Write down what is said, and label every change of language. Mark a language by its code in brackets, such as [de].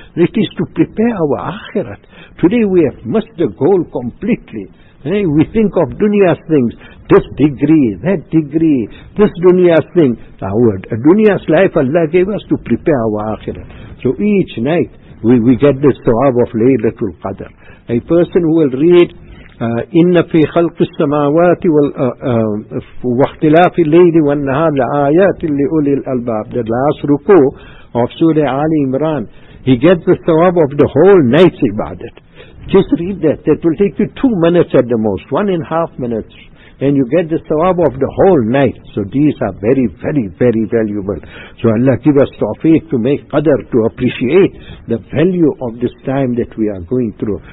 [en] It is to prepare our akhirat. Today we have missed the goal completely. We think of dunya's things, this degree, that degree, this dunya's thing. Our dunya's life Allah gave us to prepare our akhirat. So each night we get the thawab of Laylatul Qadr. A person who will read [ar] إِنَّ فِي خَلْقِ السَّمَاوَاتِ وَاخْتِلَافِ اللَّيْلِ وَالنَّهَارِ لَآيَاتٍ لِأُولِي الْأَلْبَابِ. [en] The last ruku of Surah Ali Imran. He gets the thawab of the whole night's ibadat. Just read that. That will take you 2 minutes at the most, 1.5 minutes. And you get the thawab of the whole night. So these are very, very, very valuable. So Allah give us tawfiq to make qadr, to appreciate the value of this time that we are going through.